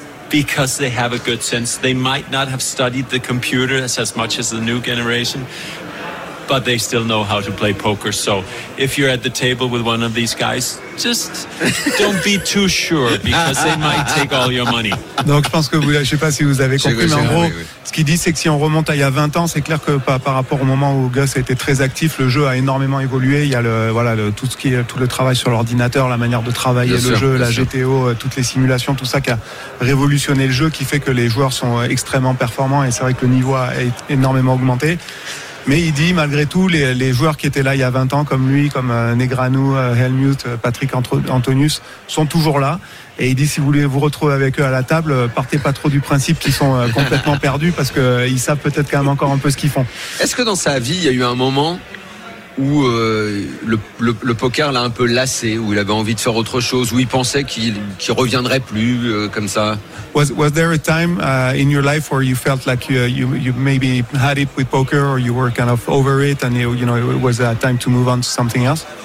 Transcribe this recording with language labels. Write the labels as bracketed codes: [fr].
[en] Because they have a good sense. They might not have studied the computer as much as the new generation, but they still know how to play poker. So if you're at the table with one of these guys, just don't be too sure because they might take all your money. [fr] Donc je pense que vous, je sais pas si vous avez compris, mais en gros, ce qu'il dit, c'est que si on remonte à il y a 20 ans, c'est clair que par rapport au moment où Gus était très actif, le jeu a énormément évolué. Il y a tout le travail sur l'ordinateur, la manière de travailler le jeu, la GTO, toutes les simulations, tout ça qui a révolutionné le jeu, qui fait que les joueurs sont extrêmement performants et c'est vrai que le niveau a énormément augmenté. Mais il dit, malgré tout, les joueurs qui étaient là il y a 20 ans, comme lui, comme Negreanu, Hellmuth, Patrick Antonius, sont toujours là. Et il dit, si vous voulez vous retrouver avec eux à la table, partez pas trop du principe qu'ils sont complètement perdus, parce qu'ils savent peut-être quand même encore un peu ce qu'ils font. Est-ce que dans sa vie, il y a eu un moment où le poker l'a un peu lassé, où il avait envie de faire autre chose, où il pensait qu'il reviendrait plus comme ça? [en] Was there a time in your life where you felt like you maybe had it with poker, or you were kind of over it, and you know it was a time to move on to something else?